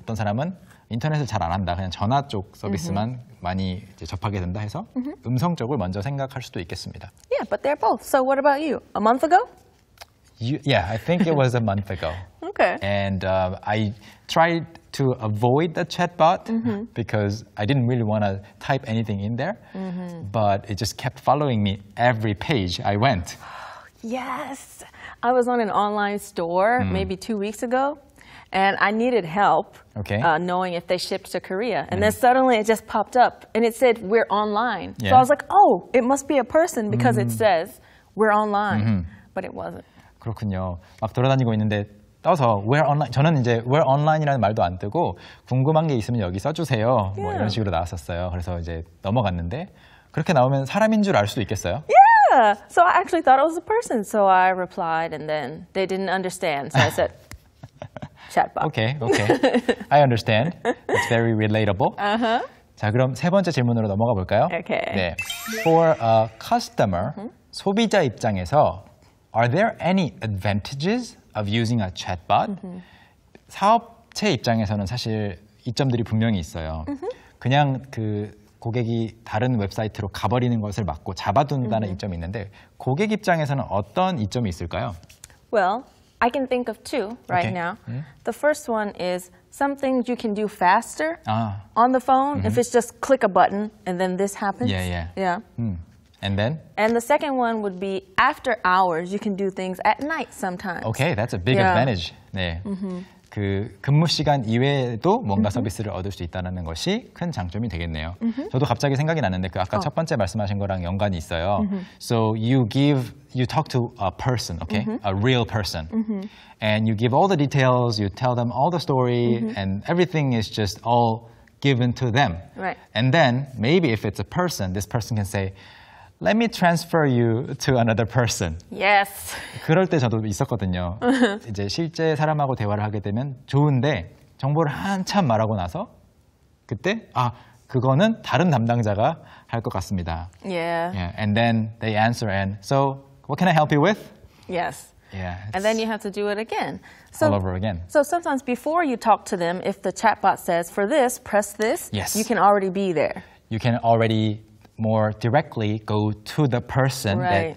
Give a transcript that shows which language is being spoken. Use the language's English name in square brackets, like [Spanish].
[Korean] 어떤 사람은 인터넷을 잘 안 한다. 그냥 전화 쪽 서비스만 mm-hmm. 많이 이제 접하게 된다 해서 mm-hmm. 음성 쪽을 먼저 생각할 수도 있겠습니다. [English] Yeah, but they're both. So what about you? A month ago? Yeah, I think it was a month ago. Okay. And I tried to avoid the chatbot mm-hmm. because I didn't really want to type anything in there. Mm-hmm. But it just kept following me every page I went. Yes. I was on an online store mm. maybe 2 weeks ago, and I needed help okay. Knowing if they shipped to Korea. And mm. then suddenly it just popped up, and it said, we're online. Yeah. So I was like, oh, it must be a person because mm-hmm. it says, we're online. Mm-hmm. But it wasn't. [Korean] 그렇군요. 막 돌아다니고 있는데 떠서 [English] we're online. [Korean] 저는 이제 we're online이라는 말도 안 뜨고 궁금한 게 있으면 여기 써주세요. Yeah. 뭐 이런 식으로 나왔었어요. 그래서 이제 넘어갔는데 그렇게 나오면 사람인 줄 알 수도 있겠어요? [English] Yeah. So I actually thought it was a person, so I replied, and then they didn't understand, so I said, chatbot. Okay, okay. I understand. It's very relatable. Uh-huh. [Korean] 자, 그럼 세 번째 질문으로 넘어가 볼까요? [English] Okay. 네. For a customer, mm-hmm. [Korean] 소비자 입장에서, [English] are there any advantages of using a chatbot? Mm-hmm. [Korean] 사업체 입장에서는 사실 이점들이 분명히 있어요. Mm-hmm. 그냥 그 고객이 다른 웹사이트로 가버리는 것을 막고 잡아둔다는 mm-hmm. 이점이 있는데 고객 입장에서는 어떤 이점이 있을까요? [English] Well, I can think of two right okay. now. Mm-hmm. The first one is some things you can do faster 아. on the phone mm-hmm. if it's just click a button and then this happens. Yeah, yeah. yeah. And then? And the second one would be after hours you can do things at night sometimes. Okay, that's a big yeah. advantage. 네. Mm-hmm. [Korean] 그 근무 시간 이외에도 뭔가 [English] mm-hmm. [Korean] 서비스를 얻을 수 있다는 것이 큰 장점이 되겠네요. Mm-hmm. 저도 갑자기 생각이 났는데 그 아까 oh. 첫 번째 말씀하신 거랑 연관이 있어요. [English] Mm-hmm. So you talk to a person, okay? Mm-hmm. A real person. Mm-hmm. And you give all the details, you tell them all the story, mm-hmm. and everything is just all given to them. Right. And then maybe if it's a person, this person can say, Let me transfer you to another person. Yes. [Korean] 그럴 때 저도 있었거든요. 이제 실제 사람하고 대화를 하게 되면 좋은데 정보를 한참 말하고 나서 그때 아 그거는 다른 담당자가 할 것 같습니다. [English] Yeah. yeah. And then they answer and so what can I help you with? Yes. Yeah. And then you have to do it again. So, all over again. So sometimes before you talk to them, if the chatbot says for this, press this. Yes. You can already be there. You can already. More directly go to the person right.